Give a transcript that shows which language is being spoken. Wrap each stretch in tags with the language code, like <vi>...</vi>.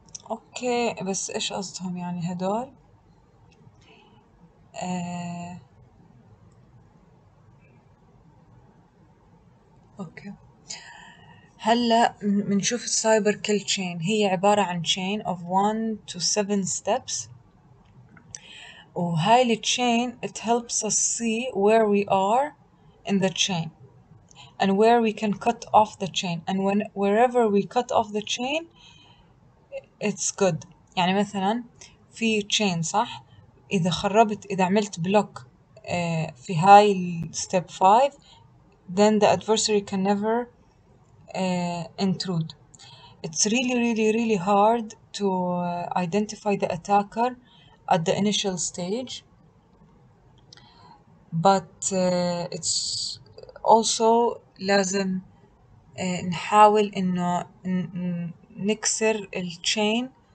<ar>اوكي بس ايش قصدهم يعني هدول؟ اوكي هلا بنشوف السايبر كل تشين، هي عبارة عن تشين</ar> <en>of 1 to 7 steps.</en> <ar>وهاي التشين</ar> <en>it helps us see where we are in the chain and where we can cut off the chain and when wherever we cut off the chain it's good.</en> <ar>يعني مثلا في chain صح، اذا خربت اذا عملت block في هاي step 5</ar> <en>then the adversary can never intrude. It's really really really hard to identify the attacker at the initial stage, but it's also</en> <ar>لازم نحاول إنه نكسر ال chain.</ar>